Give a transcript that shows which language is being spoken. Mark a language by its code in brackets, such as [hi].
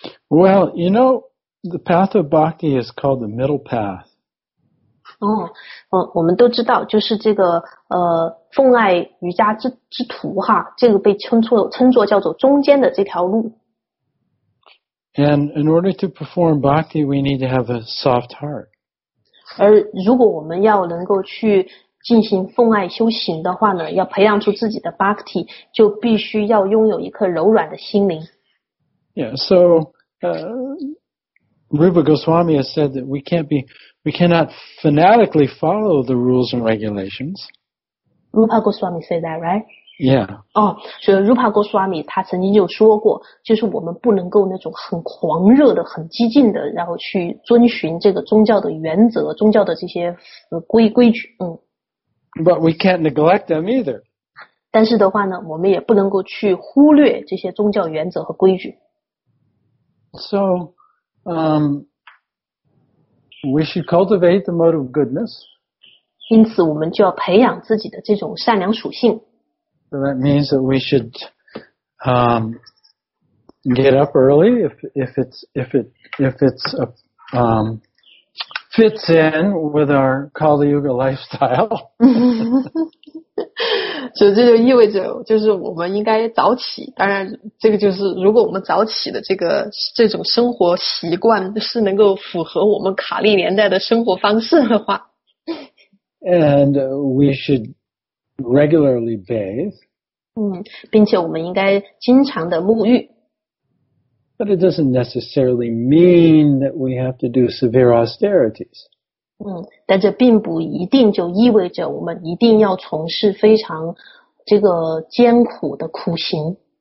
[en] Well, you know, the path of bhakti is called the middle path. [zh] 我们都知道，就是这个奉爱瑜伽之途哈，这个被称作叫做中间的这条路。 [en] And in order to perform bhakti, we need to have a soft heart. [zh] 而如果我们要能够去进行奉爱修行的话呢，要培养出自己的 bhakti, 就必须要拥有一颗柔软的心灵。 [en] Yeah, so, Rupa Goswami has said that we cannot fanatically follow the rules and regulations. Rupa Goswami said that, right? Yeah. [zh] 所以 Rupa Goswami 他曾经就说过，就是我们不能够那种很狂热的、很激进的，然后去遵循这个宗教的原则、宗教的这些规矩。 [en] But we can't neglect them either. [zh] 但是的话呢，我们也不能够去忽略这些宗教原则和规矩。 [en] So, we should cultivate the mode of goodness. [zh] 因此，我们就要培养自己的这种善良属性。 [en] So that means that we should, get up early if it fits in with our Kali Yuga lifestyle. [zh] 所以这就意味着就是我们应该早起，当然这个就是如果我们早起的这种生活习惯是能够符合我们卡利年代的生活方式的话。 [en] And we should regularly bathe. [zh] 并且我们应该经常的沐浴。 [en] But it doesn't necessarily mean that we have to do severe austerities. [zh] 但这并不一定就意味着我们一定要从事非常这个艰苦的苦行。